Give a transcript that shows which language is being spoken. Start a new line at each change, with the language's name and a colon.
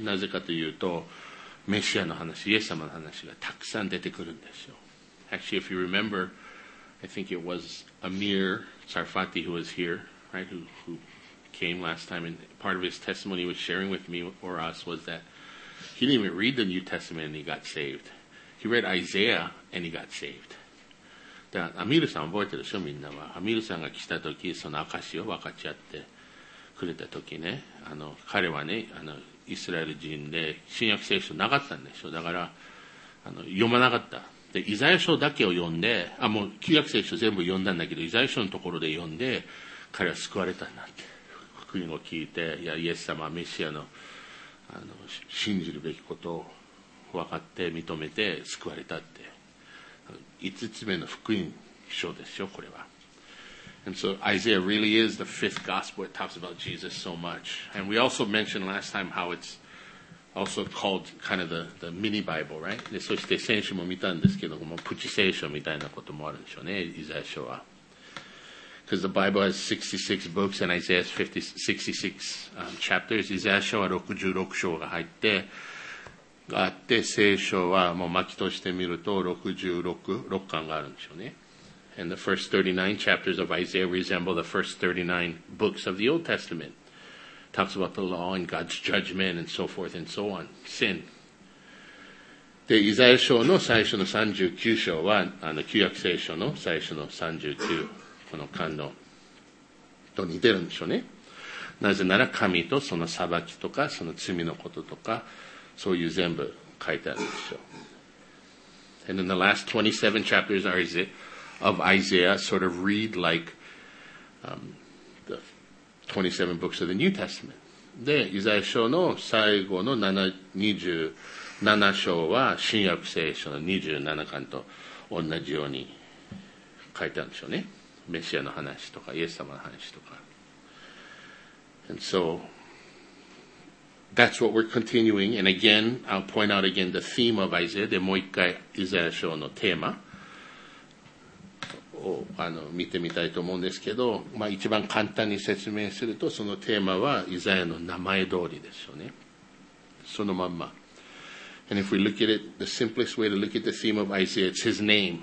Japanese: なぜかというと、メシアの話、イエス様の話がたくさん出てくるんですよ。
English: Actually, if you remember, I think it was Amir Sarfati who was here, right, who came last time, and part of his testimony he was sharing with me or us was that he didn't even read the New Testament and he got saved. He read Isaiah and he got saved.
Japanese: だからアミールさん覚えてるでしょ、みんなは。アミールさんが来た時、その証を分かち合ってくれた時ね、彼はね、イスラエル人で新約聖書なかったんでしょ。だから読まなかった。で、イザヤ書だけを読んで、もう旧約聖書全部読んだんだけど、イザヤ書のところで読んで、彼は救われたんだって。福音を聞いて、いや、イエス様、メシアの、信じるべきことを分かって認めて救われたって。 5つ目の福音書ですよ、これは。
English: And so Isaiah really is the fifth gospel. It talks about Jesus so much. And we also mentioned last time how it's also called kind of the mini Bible, right?
Japanese: で、そして先週も見たんですけど、もうプチ聖書みたいなこともあるんでしょうね、イザヤ書は。
English: Because the Bible has 66 books and Isaiah has 66 chapters.
Japanese: イザヤ書は66章が入って、あって聖書はもう巻きとして見ると66巻があるんでしょうね。
English: And the first 39 chapters of Isaiah resemble the first 39 books of the Old Testament. Talks about the law and God's judgment and so forth and so on. Sin.
Japanese: で、イザヤ書の最初の39章は、旧約聖書の最初の39、この巻のと似てるんでしょうね。なぜなら神とその裁きとか、その罪のこととか、そういう全部書いてあるんですよ。
English: And then the last 27 chapters of Isaiah sort of read like the 27 books of the New Testament.
Japanese: で、イザヤ書の最後の27章は新約聖書の27巻と同じように書いてあるんでしょうね。メシアの話とか、イエス様の話とか。
English: And soThat's what we're continuing. And again, I'll point out again the theme of Isaiah.
Japanese: で、もう一回、イザヤ書のテーマを見てみたいと思うんですけど、一番簡単に説明すると、そのテーマはイザヤの名前通りですよね。そのまんま。
English: And if we look at it, the simplest way to look at the theme of Isaiah, it's his name.